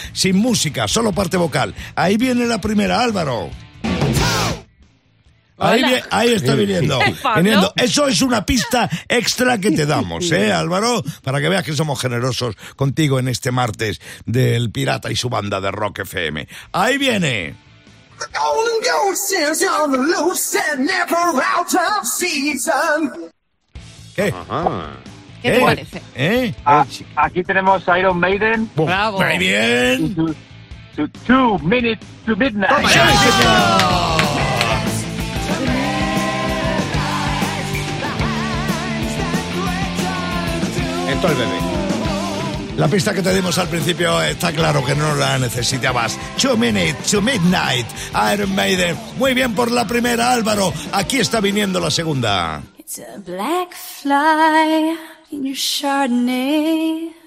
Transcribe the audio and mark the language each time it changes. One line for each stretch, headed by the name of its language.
Spanish: Sin música, solo parte vocal. Ahí viene la primera, Álvaro. Ahí está viniendo. Viniendo. Eso es una pista extra que te damos, Álvaro, para que veas que somos generosos contigo en este martes del Pirata y su banda de Rock FM. Ahí viene.
English: Golden Ghost is on the loose and never out of season.
Spanish: ¿Qué? Ajá. ¿Qué te parece? Aquí tenemos a Iron Maiden. ¡Bum! ¡Bravo! ¡Muy bien!
English: To 2 minutes to midnight. ¡Oh! ¡Oh!
Spanish: Entró el bebé. La pista que te dimos al principio está claro que no la necesitabas. 2 minutes to midnight, Iron Maiden. Muy bien por la primera, Álvaro. Aquí está viniendo la segunda.
English: It's a black fly in your Chardonnay.